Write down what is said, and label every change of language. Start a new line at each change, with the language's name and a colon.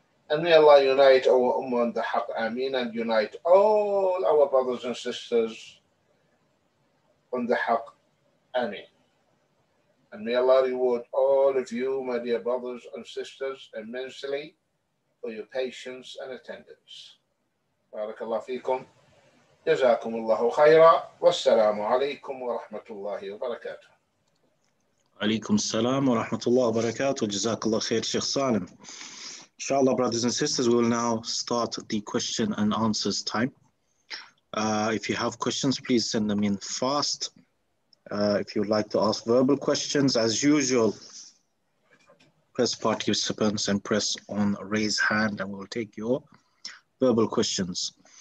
English: And may Allah unite our ummah on the haqq. Ameen. And unite all our brothers and sisters on the haqq. Ameen. And may Allah reward all of you, my dear brothers and sisters, immensely for your patience and attendance.
Arabic: Barakallahu feekum. جزاكم الله خيرا والسلام عليكم ورحمة الله وبركاته. عليكم السلام ورحمة الله وبركاته. جزاك الله خير شيخ سالم.
English: Inshallah, brothers and sisters, we will now start the question and answers time. If you have questions, please send them in fast. If you'd like to ask verbal questions, as usual, press participants and press on raise hand, and we'll take your verbal questions.